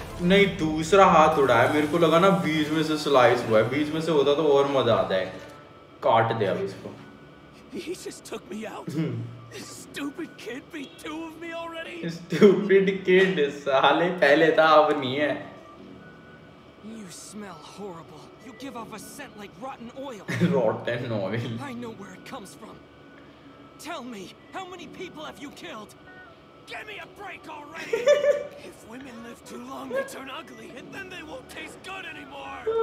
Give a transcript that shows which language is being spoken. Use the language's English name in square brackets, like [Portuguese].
[Hindi] नहीं दूसरा हाथ उड़ा है, मेरे को लगा ना बीच में से स्लाइस हुआ है। बीच में से होता तो और मजा आता है। काट दे अब इसको। [English] He just took me out. Stupid kid beat two of me already. Stupid kid, [Hindi] साले पहले था अब नहीं है। [English] You smell horrible. You give off a scent like rotten oil. Rotten oil. I know where it comes from. Tell me, how many people have you killed? Give me a break already. If women live too long, they turn ugly, and then they won't taste good anymore.